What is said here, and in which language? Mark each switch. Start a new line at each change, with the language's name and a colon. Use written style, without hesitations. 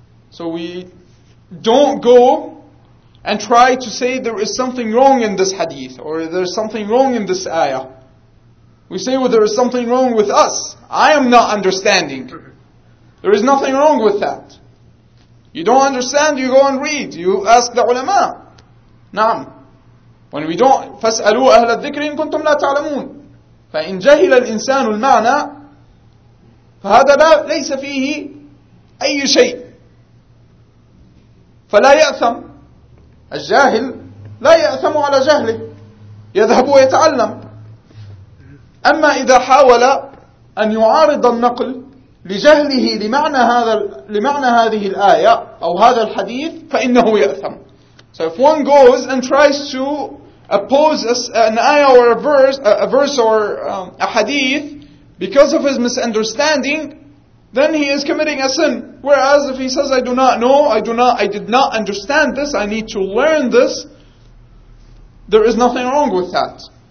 English: So we don't go and try to say there is something wrong in this hadith or there is something wrong in this ayah. We say, well, there is something wrong with us. I am not understanding. There is nothing wrong with that. You don't understand, you go and read. You ask the ulama.
Arabic: نعم.
English: When we don't,
Arabic: فاسألوا أهل الذكر إن كنتم لا تعلمون. فإن جهل الإنسان المعنى فهذا لا ليس فيه أي شيء. فلا يأثم. الجاهل لا يأثم على جهله. يذهب ويتعلم. أما إذا حاول أن يعارض النقل لجهله لمعنى هذه الآية أو هذا الحديث فإنه يأثم.
English: So if one goes and tries to oppose an ayah or a verse or a hadith because of his misunderstanding, then he is committing a sin. Whereas if he says, I did not understand this, I need to learn this, there is nothing wrong with that.